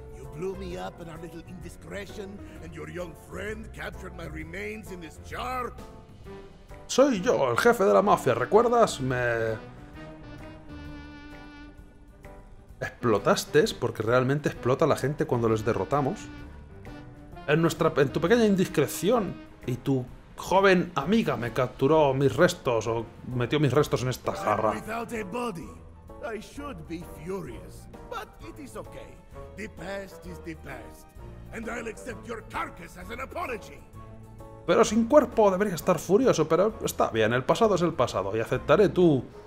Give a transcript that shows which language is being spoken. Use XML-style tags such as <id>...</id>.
<en>You blew me up in our little indiscretion, and your young friend captured my remains in this jar.</en> <es>Soy yo, el jefe de la mafia, ¿recuerdas? Me... Explotaste, porque realmente explota la gente cuando les derrotamos. En tu pequeña indiscreción, y tu... Joven amiga me capturó mis restos, o metió mis restos en esta jarra.</es> <en>Without a body, I should be furious, but it is okay. The past is the past, and I'll accept your carcass as an apology.</en> <es>Pero sin cuerpo debería estar furioso, pero está bien, el pasado es el pasado, y aceptaré tu...</es>